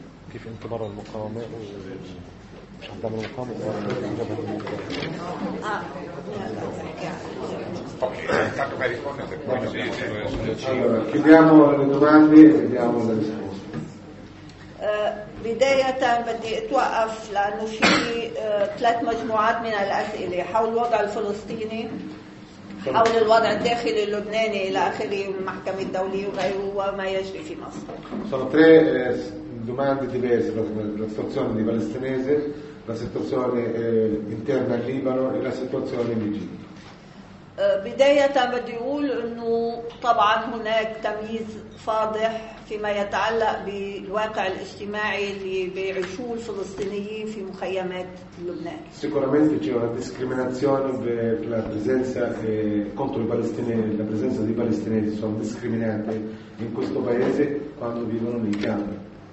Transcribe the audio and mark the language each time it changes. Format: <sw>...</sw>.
<it>Che fin tomara il mukawama o ci andiamo al mukawama o andiamo al mukawama? Ah, intanto mi rispondo. Chiudiamo le domande e vediamo le risposte.</it> <ar>بداية بدي اتوقف لانه في ثلاث مجموعات من الاسئله حول الوضع الفلسطيني حول الوضع الداخلي اللبناني الى اخره المحكمه الدوليه وغيره وما يجري في مصر.</ar> <it>Sono tre domande diverse, la situazione di palestinese, la situazione interna al Libano e la situazione in Egitto.</it> <ar>بداية بدي اقول انه طبعا هناك تمييز فاضح فيما يتعلق بالواقع الاجتماعي اللي بيعيشوه الفلسطينيين في مخيمات لبنان.</ar> <it>Sicuramente c'è una discriminazione per la presenza contro i palestinesi, la presenza dei palestinesi sono discriminati in questo paese quando vivono nei campi.</it>